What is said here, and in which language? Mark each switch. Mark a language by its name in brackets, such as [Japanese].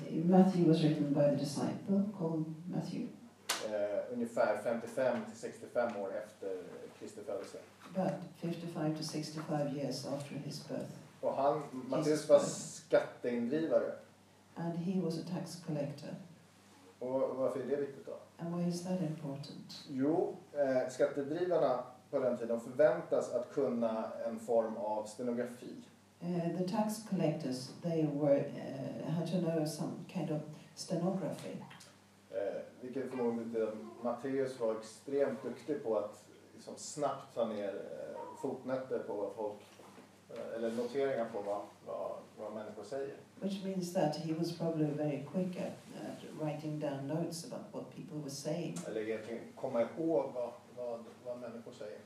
[English] Matthew was written by the disciple called Matthew. [Swedish] Ungefär 55 till 65 år efter Kristi födelse. [English] About 55 to 65 years after his birth. [Swedish] Och han, Matteus var skatteindrivare. [English] And he was a tax collector. [Swedish] Och varför är det viktigt då? [English] And why is that important? [Swedish] Jo, skattedrivarna på den tiden förväntas att kunna en form av stenografi. [English] The tax collectors, they were had to know some kind of stenography. [Swedish] Vilket förmodligen Matteus var extremt duktig på att liksom snabbt ta ner fotnötter på vad folk eller noteringar på vad människor säger. [English] Which means that he was probably very quick at writing down notes about what people were saying. [Swedish] Eller egentligen komma ihåg vad människor säger.